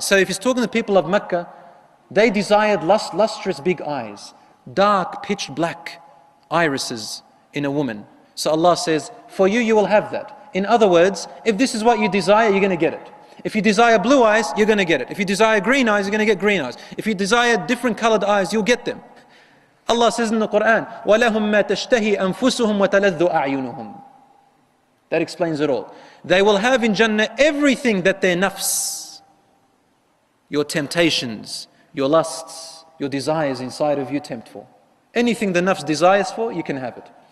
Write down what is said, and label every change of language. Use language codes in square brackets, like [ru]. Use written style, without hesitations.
[en] So if he's talking to the people of Mecca, they desired lustrous big eyes, dark pitch black irises in a woman. So Allah says, for you, you will have that. In other words, if this is what you desire, you're going to get it. If you desire blue eyes, you're going to get it. If you desire green eyes, you're going to get green eyes. If you desire different colored eyes, you'll get them. Allah says in the Quran, [ar] وَلَهُمْ مَا تَشْتَهِي أَنفُسُهُمْ وَتَلَذُّ أَعْيُنُهُمْ. [en] That explains it all. They will have in Jannah everything that their nafs, your temptations, your lusts, your desires inside of you tempt for. Anything the nafs desires for, you can have it.